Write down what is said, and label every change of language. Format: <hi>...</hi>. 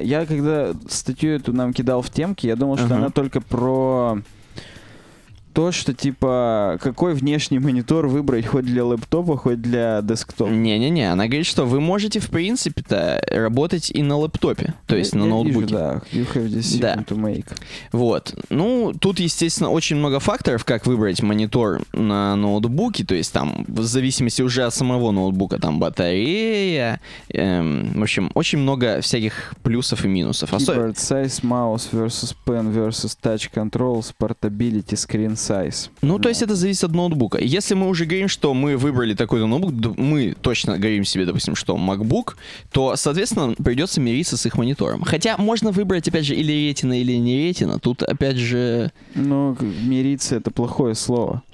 <ru>Я когда статью эту нам кидал в темки, я думал, что она только про... То, что, типа, какой внешний монитор выбрать, хоть для лэптопа, хоть для десктопа. Не-не-не, она говорит, что вы можете, в принципе-то, работать и на лэптопе, то есть я на ноутбуке. Вижу, да,</ru> <en>you have decision to make.</en> <ru>Вот, ну, тут, естественно, очень много факторов, как выбрать монитор на ноутбуке, то есть там, в зависимости уже от самого ноутбука, там, батарея, в общем, очень много всяких плюсов и минусов.</ru> <en>Keyboard size, mouse versus pen versus touch controls, portability, screen size.</en> <ru>Ну, да. То есть это зависит от ноутбука. Если мы уже говорим, что мы выбрали такой-то ноутбук, мы точно говорим себе, допустим, что MacBook, то, соответственно, придется мириться с их монитором. Хотя можно выбрать, опять же, или Retina, или не Retina. Тут, опять же... Ну, мириться — это плохое слово.</ru>